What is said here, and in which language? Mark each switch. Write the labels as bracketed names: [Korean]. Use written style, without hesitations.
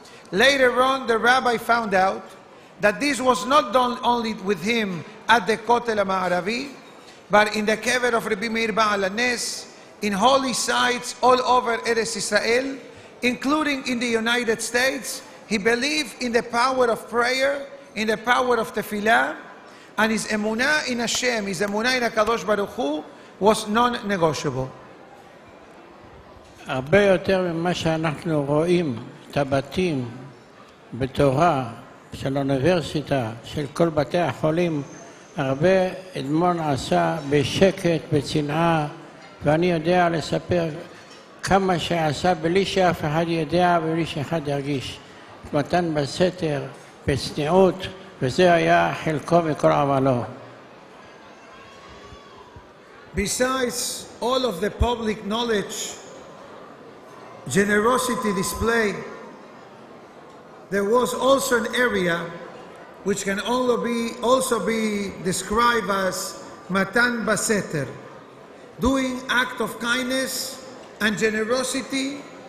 [English] Later on, the rabbi found out that this was not done only with him at the Kotel HaMa'aravi, but in the Kever of Rabbi Meir Ba'al HaNes, in holy sites all over Eretz Israel, including in the United States. He believed in the power of prayer, in the power of tefillah, and his emunah in Hashem, his emunah in HaKadosh Baruch Hu, was non-negotiable. [Hebrew] הרבה יותר ממה שאנחנו רואים את הבתים בתורה של אוניברסיטה, של כל בתי החולים, הרבה אדמון עשה בשקט, בצנעה, ואני יודע לספר כמה שעשה בלי שאף אחד ידע ובלי שאחד ירגיש. מתן בסתר, בצניעות, וזה היה חלקו מכל עמלו. [English] Besides all of the public knowledge, generosity display, there was also an area which can also be described as matan baseter, doing act of kindness and generosity